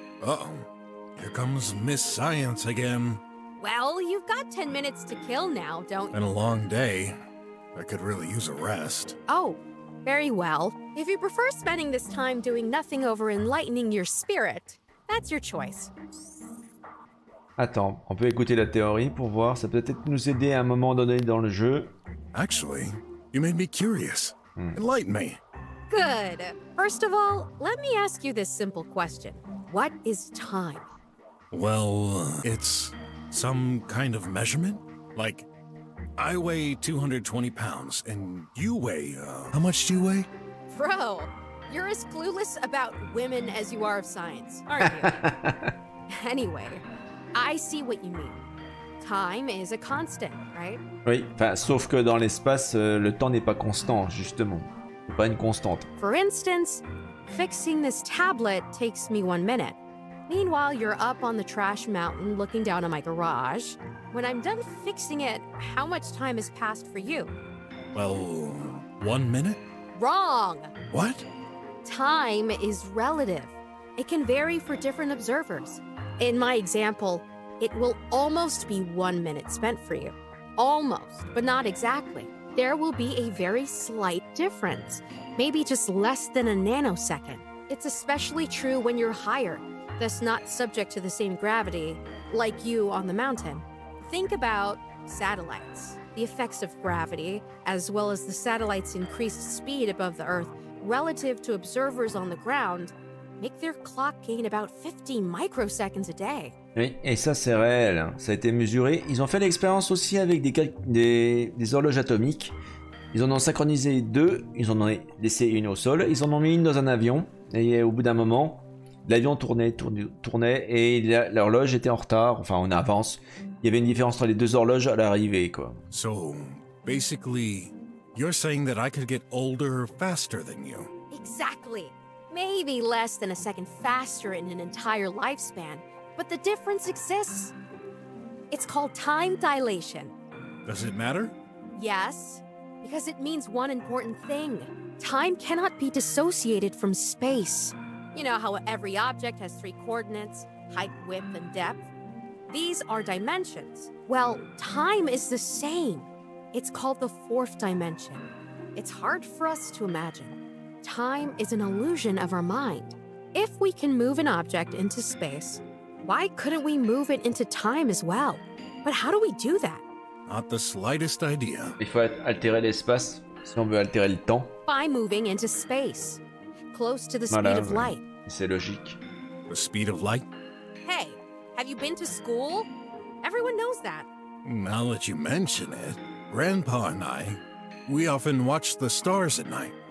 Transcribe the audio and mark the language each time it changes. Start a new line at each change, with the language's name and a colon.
English: Uh-oh. Here comes Miss Science again. Well, you've got 10 minutes to kill now, don't you? Been a long day. I could really use a rest. Oh, very well. If you prefer spending this time doing nothing over enlightening your spirit, that's your choice.
French: Attends, on peut écouter la théorie pour voir, ça peut peut-être nous aider à un moment donné dans le jeu.
English: Actually, you made me curious. Enlighten me. Good. First of all, let me ask you this simple question. What is time? Well, it's some kind of measurement. Like, I weigh 220 pounds, and you weigh, how much do you weigh? Bro, you're as clueless about women as you are of science, aren't you? Anyway, I see what you mean. Time is a constant, right?
French: Oui, enfin, sauf que dans l'espace, le temps n'est pas constant, justement. C'est pas une constante.
English: For instance, fixing this tablet takes me 1 minute. Meanwhile, you're up on the trash mountain looking down on my garage. When I'm done fixing it, how much time has passed for you? Well, 1 minute? Wrong! What? Time is relative. It can vary for different observers. In my example, it will almost be 1 minute spent for you. Almost, but not exactly. There will be a very slight difference. Maybe just less than a nanosecond. It's especially true when you're higher. That's not subject to the same gravity, like you on the mountain. Think about satellites. The effects of gravity, as well as the satellite's increased speed above the Earth relative to observers on the ground, make their clock gain about 50 microseconds a day.
French: Oui, et ça c'est réel. Ça a été mesuré. Ils ont fait l'expérience aussi avec des horloges atomiques. Ils en ont synchronisé deux. Ils en ont laissé une au sol. Ils en ont mis une dans un avion. Et au bout d'un moment, l'avion tournait et l'horloge était en retard, enfin en avance. Il y avait une différence entre les deux horloges à l'arrivée, quoi.
English: So, basically, you're saying that I could get older faster than you. Exactly. Maybe less than a second faster in an entire lifespan, but the difference exists. It's called time dilation. Does it matter? Yes, because it means one important thing. Time cannot be dissociated from space. You know how every object has three coordinates, height, width, and depth? These are dimensions. Well, time is the same. It's called the fourth dimension. It's hard for us to imagine. Time is an illusion of our mind. If we can move an object into space, why couldn't we move it into time as well? But how do we do that? Not the slightest idea.
French: Il faut altérer l'espace si on veut altérer le temps.
English: By moving into space, close to the speed of light.
French: C'est logique.
English: The speed of light? Hey, have you been to school? Everyone knows that. Now that you mention it, Grandpa and I, we often watch the stars at night.